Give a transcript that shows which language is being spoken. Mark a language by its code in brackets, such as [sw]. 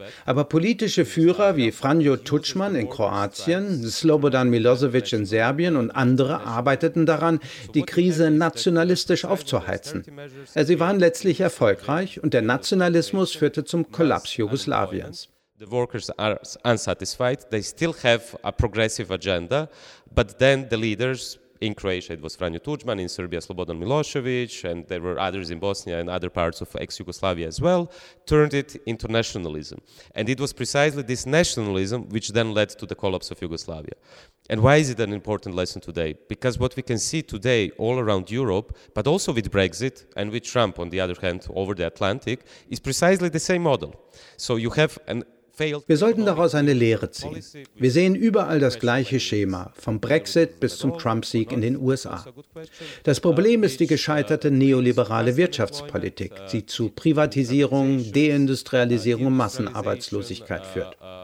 [de] Aber politische Führer wie Franjo Tudjman in Kroatien, Slobodan Milosevic in Serbien und andere arbeiteten daran, die Krise nationalistisch aufzuheizen. Sie waren letztlich erfolgreich und der Nationalismus führte zum Kollaps Jugoslawiens. [en] The workers are unsatisfied, they still have a progressive agenda, but then the leaders in Croatia, it was Franjo Tudjman, in Serbia Slobodan Milošević, and there were others in Bosnia and other parts of ex-Yugoslavia as well, turned it into nationalism. And it was precisely this nationalism which then led to the collapse of Yugoslavia. And why is it an important lesson today? Because what we can see today all around Europe, but also with Brexit and with Trump, on the other hand, over the Atlantic, is precisely the same model. So you have an [de] Wir sollten daraus eine Lehre ziehen. Wir sehen überall das gleiche Schema, vom Brexit bis zum Trump-Sieg in den USA. Das Problem ist die gescheiterte neoliberale Wirtschaftspolitik, die zu Privatisierung, Deindustrialisierung und Massenarbeitslosigkeit führt.